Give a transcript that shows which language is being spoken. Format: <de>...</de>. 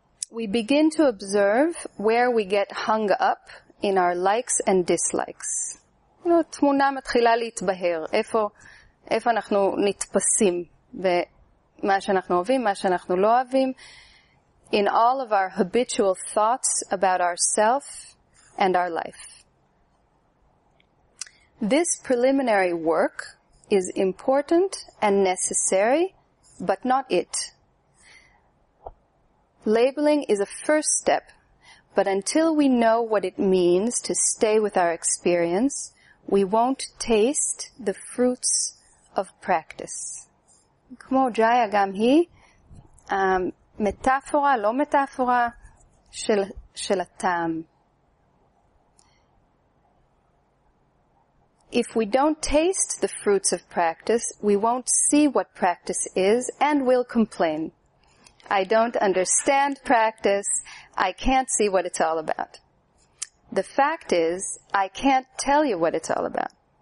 <en>We begin to observe where we get hung up in our likes and dislikes.</en> <he>תמונה מתחילה להתבהר, איפה אנחנו נתפסים במה שאנחנו אוהבים, מה שאנחנו לא אוהבים.</he> <en>In all of our habitual thoughts about ourselves and our life. This preliminary work is important and necessary, but not it. Labeling is a first step, but until we know what it means to stay with our experience, we won't taste the fruits of practice.</en> <he>כמו ג'איה גם היא, מטאפורה, לא מטאפורה, של הטעם.</he> <en>If we don't taste the fruits of practice, we won't see what practice is and we'll complain. I don't understand practice. I can't see what it's all about. The fact is, I can't tell you what it's all about.</en>